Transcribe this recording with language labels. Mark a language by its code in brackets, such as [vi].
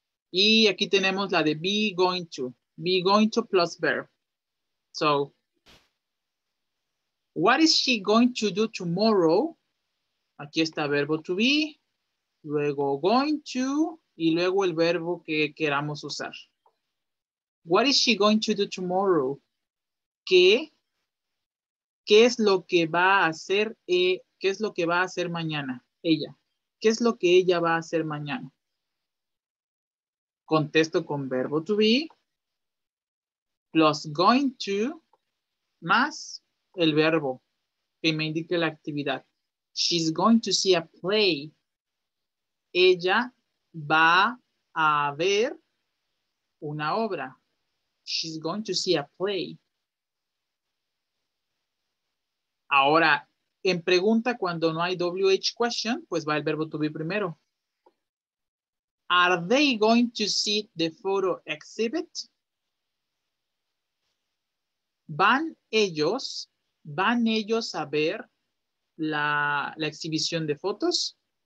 [es] Y aquí tenemos la de be going to plus verb. [en] So, what is she going to do tomorrow? [es] Aquí está verbo to be, luego going to, y luego el verbo que queramos usar. [en] What is she going to do tomorrow? [es] ¿Qué? ¿Qué es lo que va a hacer? ¿Qué es lo que va a hacer mañana? Ella. ¿Qué es lo que ella va a hacer mañana? Contesto con verbo to be plus going to más el verbo que me indique la actividad. [en] She's going to see a play. [es] Ella va a ver una obra. [en] She's going to see a play. [es] Ahora, en pregunta, cuando no hay WH question, pues va el verbo to be primero. [en] Are they going to see the photo exhibit? [es] Van ellos a ver la exhibición de fotos?